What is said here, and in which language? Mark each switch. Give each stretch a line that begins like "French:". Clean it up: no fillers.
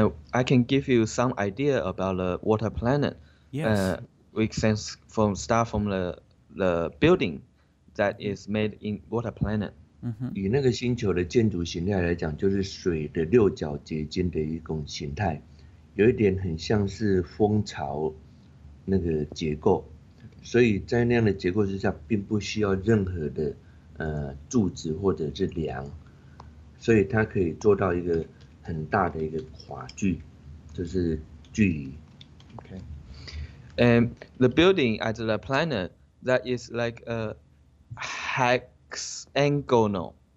English: I can give you some idea about the water planet. Yes. We can start from the building that is made in water planet.
Chinese: 以那个星球的建筑形态来讲，就是水的六角结晶的一种形态，有一点很像是蜂巢那个结构。所以在那样的结构之下，并不需要任何的柱子或者是梁，所以它可以做到一个。很大的一个跨距，就是距离。
English: Okay. And the building at the planet that is like a hexagonal.